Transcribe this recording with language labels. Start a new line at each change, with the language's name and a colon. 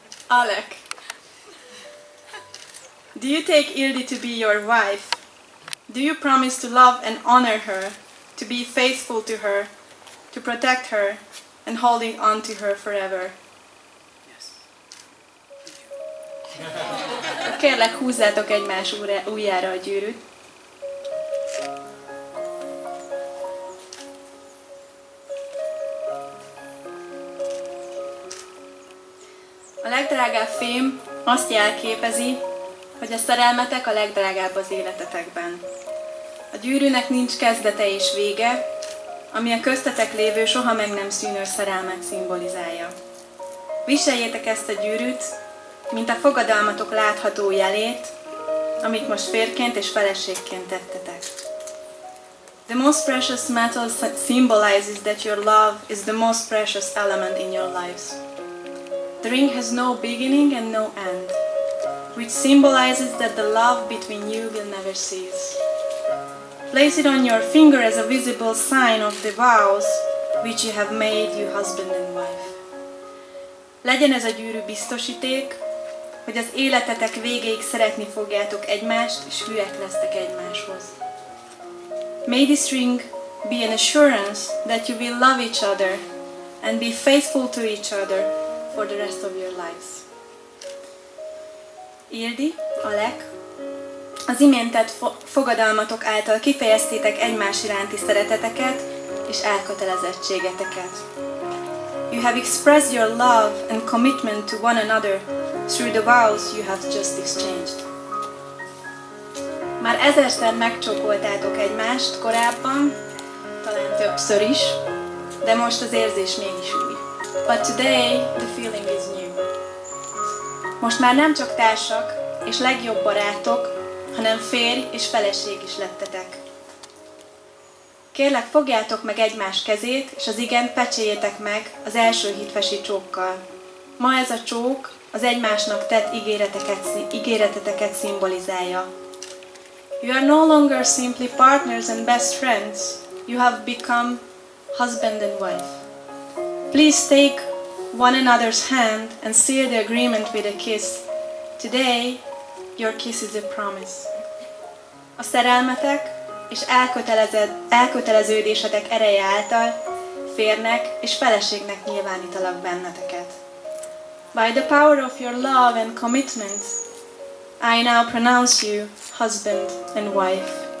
English: Alec, do you take Ildi to be your wife? Do you promise to love and honor her, to be faithful to her, to protect her, and holding on to her forever? Yes.
Hungarian: Kérlek, húzzátok egymás ujjára a gyűrűt. Legdrágább fém azt jelképezi, hogy a szerelmetek a legdrágább az életetekben. A gyűrűnek nincs kezdete és vége, ami a köztetek lévő soha meg nem szűnő szerelmet szimbolizálja. Viseljétek ezt a gyűrűt, mint a fogadalmatok látható jelét, amit most férként és feleségként tettetek.
English: The most precious metal symbolizes that your love is the most precious element in your lives. The ring has no beginning and no end, which symbolizes that the love between you will never cease. Place it on your finger as a visible sign of the vows which you have made, you husband and wife.
Hungarian: Legyen ez a gyűrű biztosíték, hogy az életetek végéig szeretni fogjátok egymást, és hűek lesztek egymáshoz.
English: May this ring be an assurance that you will love each other and be faithful to each other for the rest of your lives.
Hungarian: Ildi, Alec, az imént fogadalmatok által kifejeztétek egymás iránti szereteteket és elkötelezettségeteket.
English: You have expressed your love and commitment to one another through the vows you have just exchanged.
Hungarian: Már ezerszer megcsókoltátok egymást korábban, talán többször is, de most az érzés mégis új.
English: But today, the feeling is new.
Hungarian: Most már nem csak társak és legjobb barátok, hanem férj és feleség is lettetek. Kérlek, fogjátok meg egymás kezét, és az igen pecséljétek meg az első hitvesi csókkal. Ma ez a csók az egymásnak tett ígéreteteket szimbolizálja.
English: You are no longer simply partners and best friends. You have become husband and wife. Please take one another's hand and seal the agreement with a kiss. Today, your kiss is a promise.
Hungarian: A szerelmetek és elköteleződésetek ereje által férnek és feleségnek nyilvánítalak benneteket.
English: By the power of your love and commitment, I now pronounce you husband and wife.